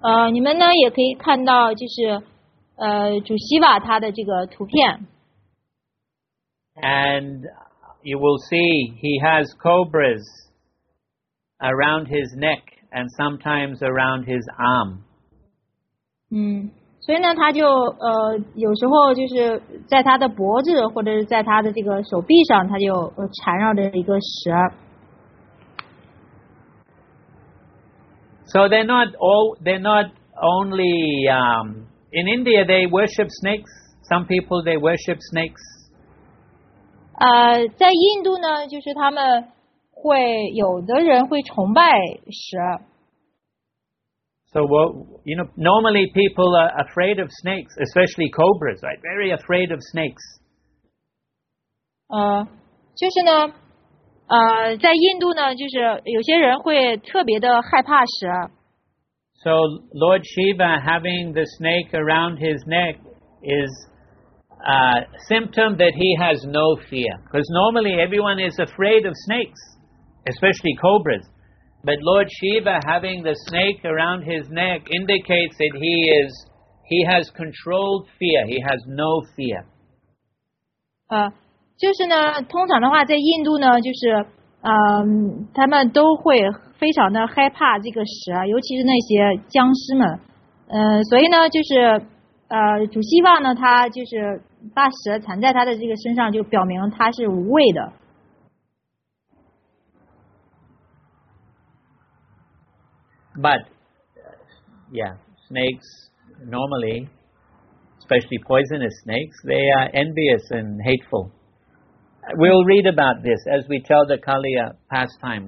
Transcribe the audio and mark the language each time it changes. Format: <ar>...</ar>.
<zh>你们呢也可以看到就是主西瓦他的这个图片。</zh> <en>And you will see he has cobras around his neck and sometimes around his arm.</en> <zh>所以呢他就有时候就是在他的脖子或者是在他的这个手臂上他就缠绕着一个蛇。</zh> <en>So they're not all, they're not only, in India they worship snakes. Some people they worship snakes.</en> <zh>在印度呢就是他们会有的人会崇拜蛇。</zh> <en>So, well, you know, normally people are afraid of snakes, especially cobras, right? Very afraid of snakes.</en> <zh>就是呢，在印度呢，就是有些人会特别的害怕蛇。</zh> <en>So, Lord Shiva having the snake around his neck is a symptom that he has no fear. Because normally everyone is afraid of snakes, especially cobras. But Lord Shiva having the snake around his neck indicates that he has controlled fear. He has no fear.</en> <zh>就是呢，通常的话，在印度呢，就是他们都会非常的害怕这个蛇，尤其是那些僵尸们。所以呢，就是主西瓦呢，他就是把蛇缠在他的这个身上，就表明他是无畏的。</zh> <en>But, yeah, snakes normally, especially poisonous snakes, they are envious and hateful. We'll read about this as we tell the Kaliya pastime.</en>